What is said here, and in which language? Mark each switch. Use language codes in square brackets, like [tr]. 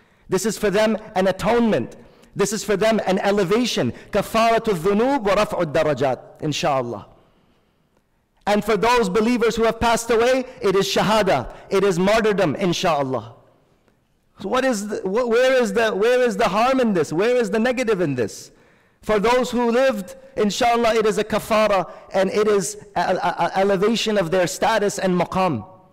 [en] This is for them an atonement. This is for them an elevation. [ar] كَفَارَةُ الذُّنُوبُ وَرَفْعُ الدَّرَجَاتِ InshaAllah. [en] And for those believers who have passed away, it is shahada, it is martyrdom, inshaAllah. So where is the harm in this? Where is the negative in this? For those who lived, inshaAllah, it is a kafara, and it is an elevation of their status and maqam.